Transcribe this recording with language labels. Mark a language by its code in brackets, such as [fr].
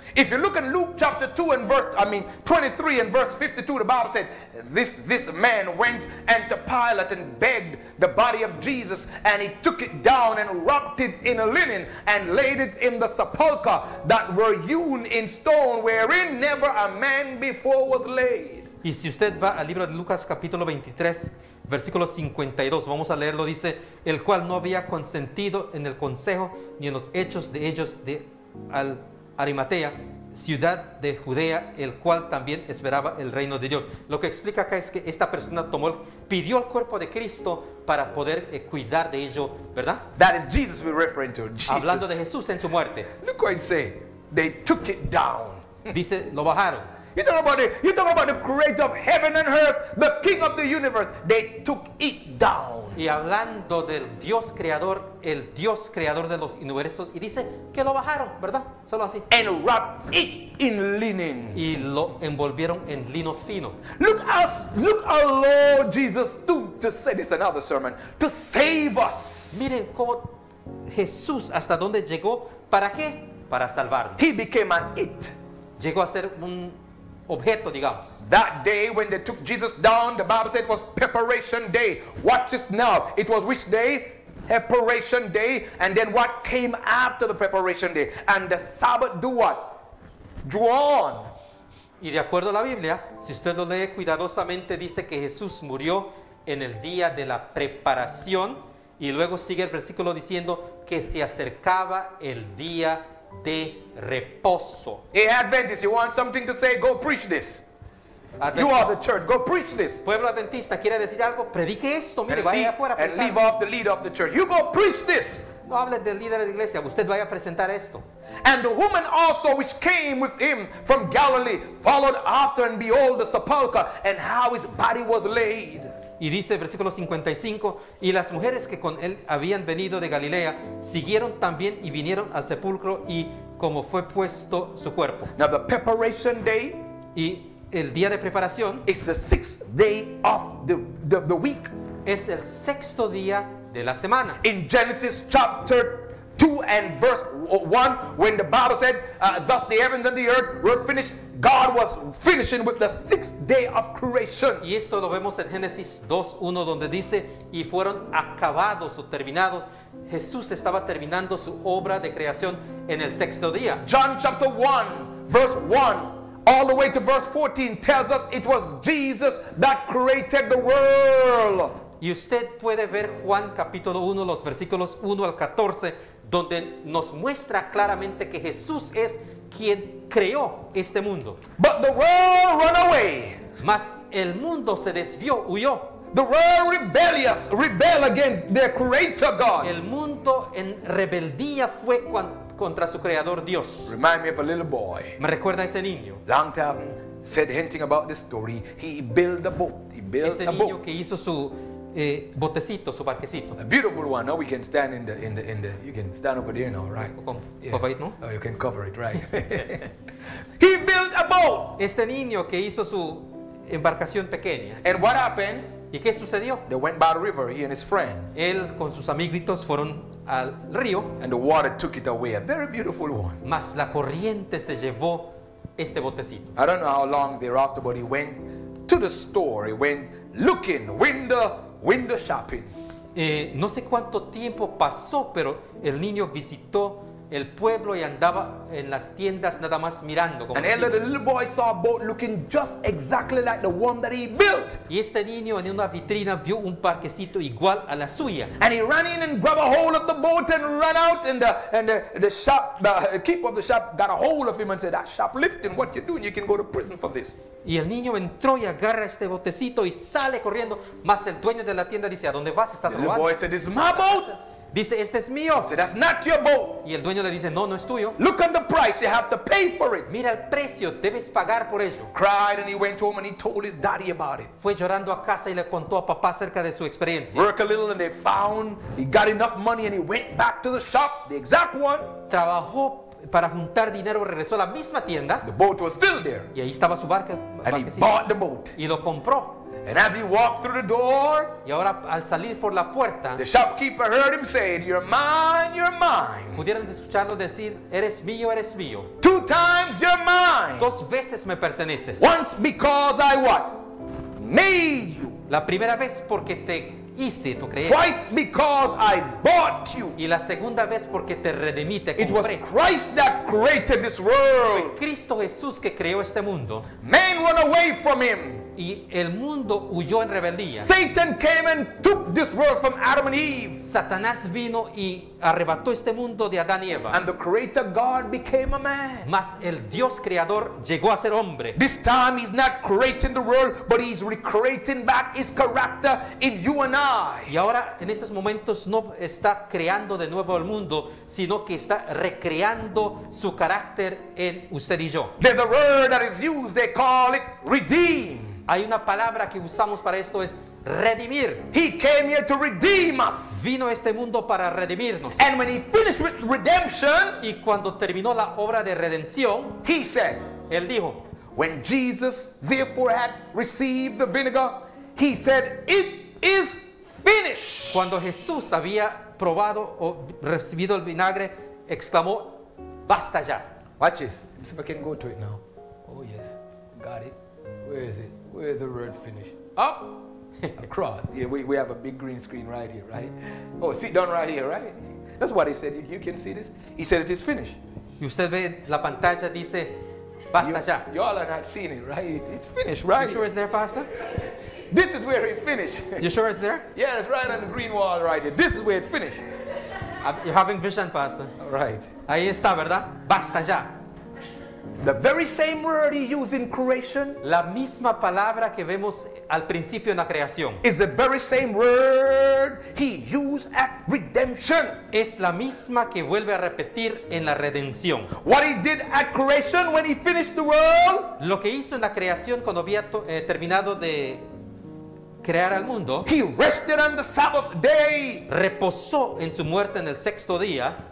[en] If you look in Luke chapter 2 and verse, 23 and verse 52, the Bible said, this man went unto Pilate and begged the body of Jesus, and he took it down and wrapped it in a linen and laid it in the sepulchre that were hewn in stone, wherein never a man before was laid. [es] Y si usted va al libro de Lucas capítulo 23, versículo 52, vamos a leerlo, dice, el cual no había consentido en el consejo ni en los hechos de ellos de al Arimatea, ciudad de Judea, el cual también esperaba el reino de Dios. Lo que explica acá es que esta persona pidió el cuerpo de Cristo para poder cuidar de ello, ¿verdad? [en] That is Jesus we're referring to. Jesus. [es] Hablando de Jesús en su muerte. [en] Look what he say. They took it down. [es] Dice, lo bajaron. [en] You talking about the creator of heaven and earth, the king of the universe. They took it down. [es] Y hablando del Dios creador, el Dios creador de los universos, y dice que lo bajaron, ¿verdad? Solo así. [en] And wrapped it in linen. [es] Y lo envolvieron en lino fino. [en] Look how Lord Jesus stooped to say this another sermon to save us. [es] Miren cómo Jesús hasta dónde llegó, ¿para qué? Para salvarnos. [en] He became an it. [es] Llegó a ser un objeto, digamos. [en] That day when they took Jesus down, the Bible said it was preparation day. Watch this now. It was which day? Preparation day. And then what came after the preparation day? And the Sabbath do what? Draw on. [es] Y de acuerdo a la Biblia, si usted lo lee cuidadosamente, dice que Jesús murió en el día de la preparación. Y luego sigue el versículo diciendo que se acercaba el día de reposo. [en] Hey, Adventist, you want something to say? Go preach this. Adventist. You are the church. Go preach this. [es] Pueblo Adventista quiere decir algo. Predique esto. Mire, [en] and [es] vaya leave, afuera. [en] And leave off the leader of the church. You go preach this. [es] No hable del líder de la iglesia. Usted vaya a presentar esto. [en] And the woman also which came with him from Galilee followed after and behold the sepulchre and how his body was laid. [es] Y dice versículo 55, y las mujeres que con él habían venido de Galilea siguieron también y vinieron al sepulcro y como fue puesto su cuerpo. [en] Now the preparation day, [es] y el día de preparación, [en] is the sixth day of the week. [es] Es el sexto día de la semana. [en] In Genesis chapter 2 and verse 1, when the Bible said, thus the heavens and the earth were finished, God was finishing with the sixth day of creation. [es] Y esto lo vemos en Génesis 2:1, donde dice, y fueron acabados o terminados. Jesús estaba terminando su obra de creación en el sexto día. [en] John chapter 1, verse 1, all the way to verse 14, tells us it was Jesus that created the world. [es] Y usted puede ver Juan capítulo 1, los versículos 1 al 14, donde nos muestra claramente que Jesús es quien creó este mundo. [en] But the world ran away. [es] Mas el mundo se desvió, huyó. [en] The world rebellious, rebel against their creator God. [es] El mundo en rebeldía fue contra su creador Dios. [en] Remind me of a little boy. [es] Me recuerda a ese niño. [en] Long time said hinting about this story. He built a boat. He built [es] ese [en] a [es] niño [en] boat. [es] Que hizo su botecito, su barquecito. [en] A beautiful one. Now we can stand in the. You can stand over there now, right? Cover it, no? Oh, you can cover it, right? He built a boat. [es] Este niño que hizo su embarcación pequeña. [en] And what happened? [es] ¿Y qué sucedió? [en] They went by the river. He and his friend. [es] Él con sus amiguitos fueron al río. [en] And the water took it away. A very beautiful one. [es] Mas la corriente se llevó este botecito. [en] I don't know how long thereafter, but he went to the store. He went looking window shopping. [es] No sé cuánto tiempo pasó, pero el niño visitó el pueblo y andaba en las tiendas nada más mirando. [en] And later, the little boy saw a boat looking just exactly like the one that he built. [es] Y este niño en una vitrina vio un parquecito igual a la suya. [en] And he ran in and grabbed a hold of the boat and ran out. And the keeper of the shop got a hold of him and said, "That shoplifting, what you doing? You can go to prison for this." [es] Y el niño entró y agarra este botecito y sale corriendo. Mas el dueño de la tienda dice, "¿A dónde vas? ¿Estás robando?" [en] The boy said, "It's my boat." [es] Dice, "Este es mío." [en] He said, "That's not your boat." [es] Y el dueño le dice, "No, no es tuyo." [en] "Look at the price. You have to pay for it." [es] Mira el precio, debes pagar por ello. [en] Cried and he went home and he told his daddy about it. [es] Fue llorando a casa y le contó a papá acerca de su experiencia. [en] Work a little and they found he got enough money and he went back to the shop, the exact one. [es] Trabajó para juntar dinero, regresó a la misma tienda. [en] The boat was still there. [es] Y ahí estaba su barca. [en] And he bought the boat. [es] Y lo compró. [en] And as he walked through the door, [es] y ahora, al salir por la puerta, [en] the shopkeeper heard him say, "You're mine, you're mine." [es] Pudieron escucharlo decir, "Eres mío, eres mío." [en] "Two times you're mine." [es] Dos veces me perteneces. [en] "Once because I what? Made you." [es] La primera vez porque te hice, tú crees. [en] "Twice because I bought you." [es] Y la segunda vez porque te redimí, te compré. [en] "It was Christ that created this world." [es] Fue Cristo Jesús que creó este mundo. [en] "Man run away from him." [es] Y el mundo huyó en rebeldía. [en] "Satan came and took this world from Adam and Eve." [es] Satanás vino y arrebató este mundo de Adán y Eva. [en] "And the creator God became a man." [es] Mas el Dios creador llegó a ser hombre. [en] "This time he's not creating the world, but he's recreating back his character in you and I." [es] Y ahora en estos momentos no está creando de nuevo el mundo, sino que está recreando su carácter en usted y yo. [en] There's a word that is used, they call it redeem. [es] Hay una palabra que usamos para esto, es redimir. [en] He came here to redeem us. [es] Vino a este mundo para redimirnos. [en] And when he finished with redemption, [es] y cuando terminó la obra de redención, [en] he said, [es] él dijo, [en] when Jesus therefore had received the vinegar, he said, "It is finished." [es] Cuando Jesús había probado o recibido el vinagre, exclamó, "Basta ya." [en] Watch this. Let's see if I can go to it now. Oh yes, got it. Where is it? Where is the word finish? Up, across. Yeah, we have a big green screen right here, right? Oh, sit down right here, right? That's what he said. You can see this. He said it is finished. [es] Y usted ve la pantalla, dice, basta ya. [en] Y'all are not seeing it, right? It's finished, right? You sure it's there, Pastor? This is where it finished. You sure it's there? Yeah, it's right on the green wall right here. This is where it finished. You're having vision, Pastor. All right. [es] Ahí está, ¿verdad? Basta ya. [en] The very same word he used in creation, [es] la misma palabra que vemos al principio en la creación, [en] is the very same word he used at redemption. [es] Es la misma que vuelve a repetir en la redención. [en] What he did at creation when he finished the world, [es] lo que hizo en la creación cuando había terminado de crear al mundo. [en] He rested on the Sabbath day. [es] Reposó en su muerte en el sexto día.